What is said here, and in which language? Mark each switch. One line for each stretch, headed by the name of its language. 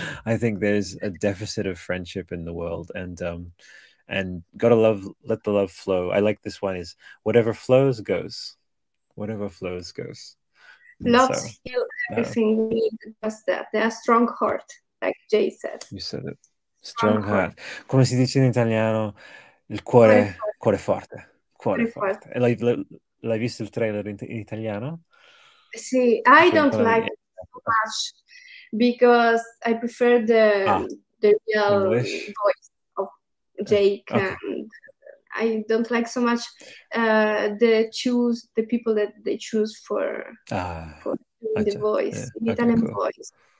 English: I think there's a deficit of friendship in the world, and gotta love, let the love flow. I like this one, is whatever flows goes. Love heals everything. Just that, they're a strong heart, like Jay said. You said it. Strong heart.
Italian: Come si dice in italiano, il cuore forte. L'hai visto il trailer in italiano?
English: Sì, I don't like it so much because I prefer the real English voice of Jake. Okay. And I don't like so much the people that they choose for the voice, the Italian voice.